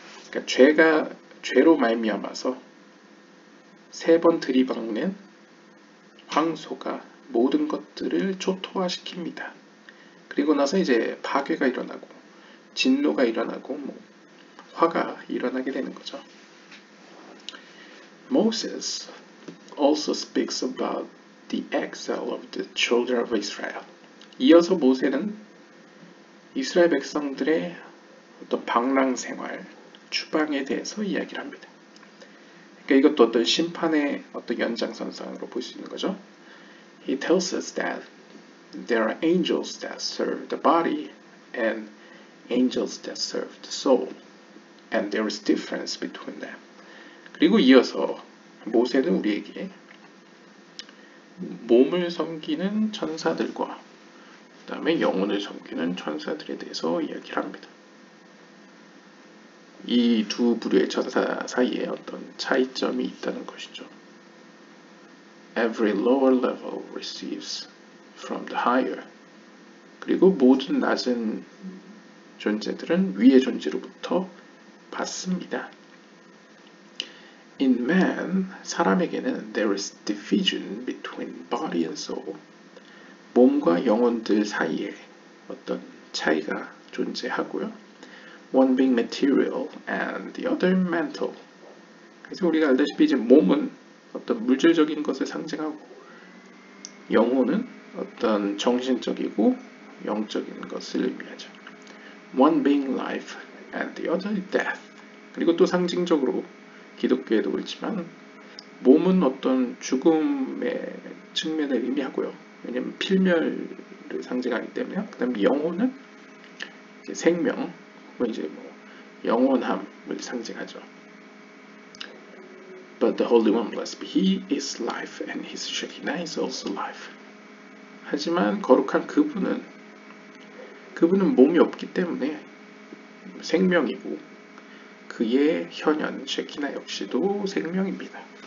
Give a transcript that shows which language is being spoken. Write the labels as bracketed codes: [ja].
[ko] 그러니까 죄로 말미암아서 세 번 들이박는 황소가 모든 것들을 초토화시킵니다. 그리고 나서 이제 파괴가 일어나고 진노가 일어나고 뭐 화가 일어나게 되는 거죠. [en] Moses also speaks about the exile of the children of Israel. [ko] 이어서 모세는 이스라엘 백성들의 어떤 방랑 생활, 추방에 대해서 이야기를 합니다. 그러니까 이것도 어떤 심판의 어떤 연장선상으로 볼 수 있는 거죠. [en] He tells us that there are angels that serve the body and angels that serve the soul, and there is difference between them. [ko] 그리고 이어서 모세는 우리에게 몸을 섬기는 천사들과 그 다음에 영혼을 섬기는 천사들에 대해서 이야기를 합니다. 이 두 부류의 천사 사이에 어떤 차이점이 있다는 것이죠. [en] Every lower level receives from the higher. [ko] 그리고 모든 낮은 존재들은 위의 존재로부터 받습니다. [en] In man, [ko] 사람에게는 [en] there is division between body and soul. [ko] 몸과 영혼들 사이에 어떤 차이가 존재하고요. [en] One being material and the other mental. [ko] 그래서 우리가 알다시피 이제 몸은 어떤 물질적인 것을 상징하고 영혼은 어떤 정신적이고 영적인 것을 의미하죠. [en] One being life and the other death. [ko] 그리고 또 상징적으로 기독교에도 그렇지만 몸은 어떤 죽음의 측면을 의미하고요. 왜냐면 필멸을 상징하기 때문에요. 그 다음에 영혼은 이제 생명, 혹은 이제 뭐 영원함을 상징하죠. [en] But the Holy One, blessed be He, is life, and His Shekinah is also life. [ko] 하지만 거룩한 그분은 몸이 없기 때문에 생명이고 그의 현현, 쉐키나 역시도 생명입니다.